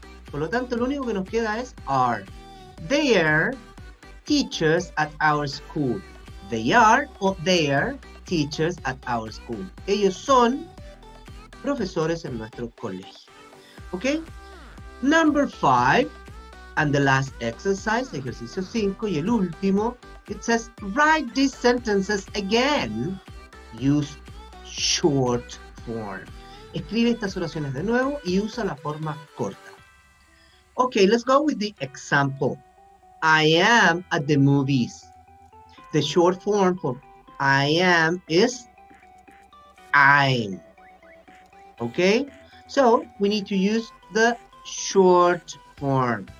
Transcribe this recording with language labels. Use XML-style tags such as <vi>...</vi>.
<es>Por lo tanto, lo único que nos queda es are.</es> <en>They are teachers at our school. They are or they are teachers at our school.</en> <es>Ellos son profesores en nuestro colegio. ¿Ok?</es> <en>Number 5 and the last exercise,</en> <es>ejercicio 5 y el último.</es> <en>It says, write these sentences again. Use short form.</en> <es>Escribe estas oraciones de nuevo y usa la forma corta.</es> <en>Okay, let's go with the example. I am at the movies. The short form for I am is I'm. Okay? So, we need to use the short form.</en>